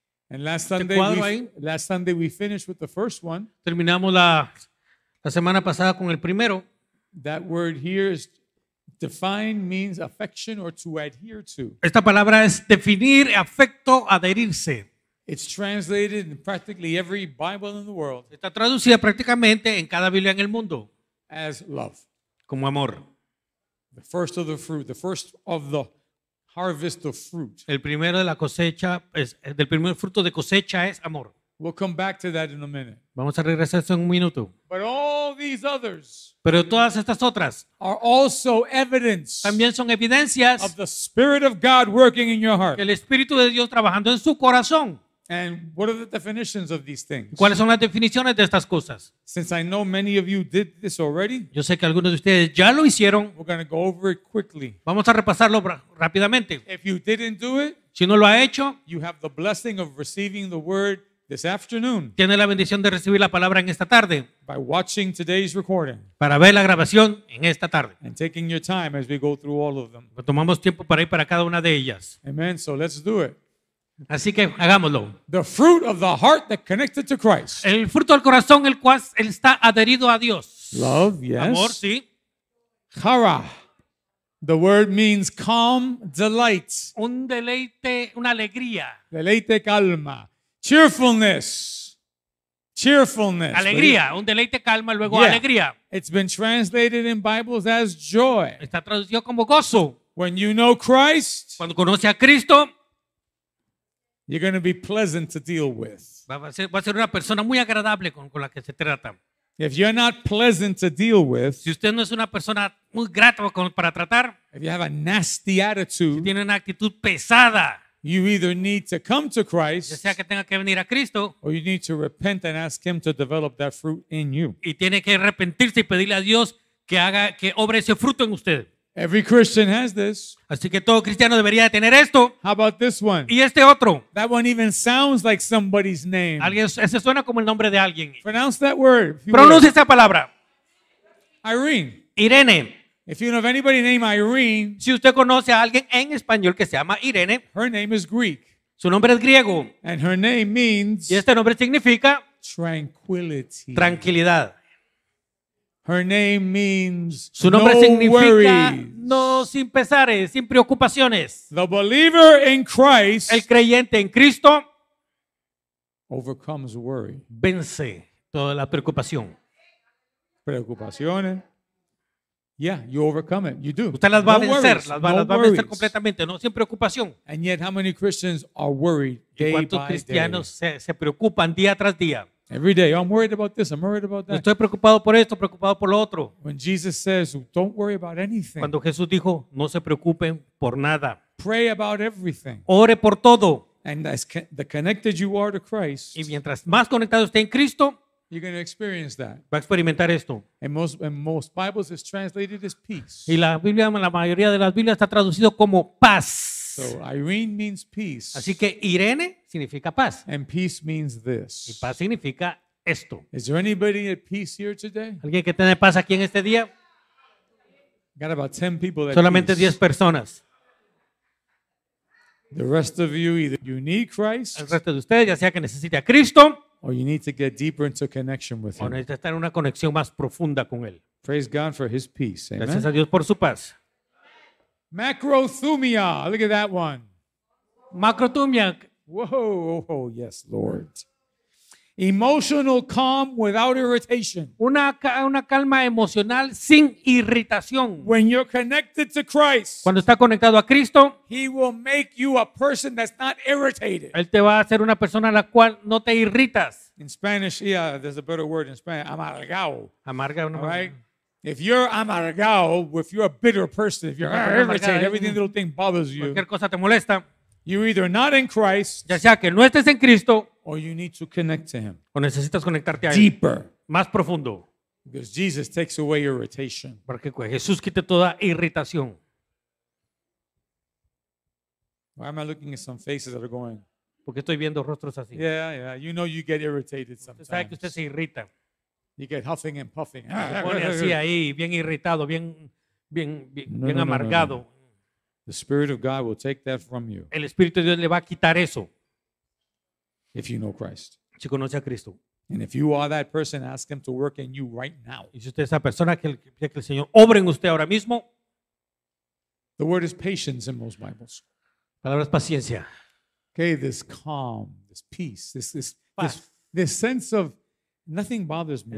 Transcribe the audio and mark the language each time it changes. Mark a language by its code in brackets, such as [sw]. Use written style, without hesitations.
[en] And last Sunday we finished with the first one. [es] Terminamos la semana pasada con el primero. [en] That word here is defined means affection or to adhere to. [es] Esta palabra es definir, afecto, adherirse. [en] It's translated in practically every Bible in the world. [es] Está traducida prácticamente en cada Biblia en el mundo. [en] As love. [es] Como amor. [en] The first of the fruit, the first of the harvest of fruit. [es] El primero de la cosecha es del primer fruto de cosecha es amor. [en] We'll come back to that in a minute. [es] Vamos a regresar a eso en un minuto. [en] But all these others. [es] Pero todas estas otras. [en] Are also evidence. [es] También son evidencias. [en] Of the Spirit of God working in your heart. [es] El Espíritu de Dios trabajando en su corazón. [en] And what are the definitions of these things? [es] ¿Cuáles son las definiciones de estas cosas? [en] Since I know many of you did this already, [es] yo sé que algunos de ustedes ya lo hicieron. [en] We're going to go over it quickly. [es] Vamos a repasarlo rápidamente. [en] If you didn't do it, [es] si no lo ha hecho, [en] you have the blessing of receiving the word this afternoon. [es] Tiene la bendición de recibir la palabra en esta tarde. [en] By watching today's recording. [es] Para ver la grabación en esta tarde. [en] And taking your time as we go through all of them. [es] Tomamos tiempo para ir para cada una de ellas. [en] Amen. So let's do it. [es] Así que hagámoslo. [en] The fruit of the heart that connected to Christ. [es] El fruto del corazón el cual está adherido a Dios. [en] Love, yes. [es] Amor, sí. [en] Chara. The word means calm delight. [es] Un deleite, una alegría. Deleite, calma. [en] Cheerfulness. cheerfulness. [es] Alegría, un deleite calma, luego yeah. Alegría. [en] It's been translated in Bibles as joy. [es] Está traducido como gozo. [en] When you know Christ, [es] cuando conoce a Cristo, [en] you're going to be pleasant to deal with. [es] Va a ser una persona muy agradable con la que se trata. [en] If you're not pleasant to deal with, [es] si usted no es una persona muy grata para tratar, [en] if you have a nasty attitude, [es] si tiene una actitud pesada, [en] you either need to come to Christ, [es] ya sea que tenga que venir a Cristo, [en] or you need to repent and ask Him to develop that fruit in you. [es] Y tiene que arrepentirse y pedirle a Dios que haga que obre ese fruto en usted. [en] Every Christian has this. [es] Así que todo cristiano debería tener esto. [en] How about this one? [es] Y este otro. [en] That one even sounds like somebody's name. [es] Alguien, ese suena como el nombre de alguien. [en] Pronounce that word. [es] Pronuncie esa palabra. [en] Irene. [es] Irene. [en] If you know of anybody named Irene, [es] si usted conoce a alguien en español que se llama Irene, [en] her name is Greek. [es] Su nombre es griego. [en] And her name means. [es] Y este nombre significa [en] tranquility. [es] Tranquilidad. [en] Her name means [es] su nombre no significa [en] worries. [es] No sin pesares, sin preocupaciones. [en] The believer in Christ, [es] el creyente en Cristo, [en] overcomes worry. [es] Vence toda la preocupación. Preocupaciones. [en] Yeah, you overcome it. You do. [es] Usted las va no a vencer, worries. las va a vencer completamente, no sin preocupación. [en] And yet how many Christians are worried day by day? [es] ¿Cuántos cristianos se preocupan día tras día? [en] Every day, I'm worried about this, I'm worried about that. [es] Estoy preocupado por esto, preocupado por lo otro. [en] When Jesus says, don't worry about anything. [es] Cuando Jesús dijo, no se preocupen por nada. [en] Pray about everything. [es] Ore por todo. [en] And as the connected you are to Christ, [es] y mientras más conectado esté en Cristo, [en] you're going to experience that. [es] Va a experimentar esto. [en] And most Bibles is translated as peace. [es] Y la Biblia, la mayoría de las Biblias está traducido como paz. [en] So Irene means peace. [es] Así que Irene significa paz. [en] And peace means this. [es] Y paz significa esto. [en] Is there anybody at peace here today? [es] ¿Alguien que tiene paz aquí en este día? [en] Got about 10 people at [es] solamente [en] peace. [es] 10 personas. [en] The rest of you either you need Christ. [es] El resto de ustedes ya sea que necesite a Cristo. [en] Or you need to get deeper into connection with him. [es] O necesita estar en una conexión más profunda con él. [en] Praise God for his peace. Amen. [es] Gracias a Dios por su paz. [en] Macrothumia, look at that one. [es] Macrothumia. [en] Whoa, yes, Lord. Emotional calm without irritation. [es] Una calma emocional sin irritación. [en] When you're connected to Christ, [es] cuando está conectado a Cristo, [en] He will make you a person that's not irritated. [es] Él te va a hacer una persona a la cual no te irritas. [en] In Spanish, yeah, there's a better word in Spanish. Amargado. [es] Amargado. No, [en] right. If you're amargado, if you're a bitter person, if you're irritated, everything little thing bothers you. [es] Cualquier cosa te molesta. [en] You're either not in Christ, [es] ya sea que no estés en Cristo, [en] or you need to connect to Him. [es] O necesitas conectarte a [en] Él. Deeper, [es] más profundo. [en] Because Jesus takes away irritation. [es] Porque Jesús quita toda irritación. [en] Why am I looking at some faces that are going? [es] Porque estoy viendo rostros así. [en] Yeah, yeah. You know you get irritated sometimes. [es] Sabes que usted se irrita. [en] You get huffing and puffing. [es] Pone así ahí, bien irritado, bien amargado. [en] The Spirit of God will take that from you. [es] El Espíritu de Dios le va a quitar eso. [en] If you know Christ. [es] Si conoce a Cristo. [en] And if you are that person, ask Him to work in you right now. [es] Y si usted es esa persona, que el Señor obre en usted ahora mismo. [en] The word is patience in most Bibles. [es] La palabra es paciencia. [en] Okay, this calm, this peace, this sense of nothing bothers me.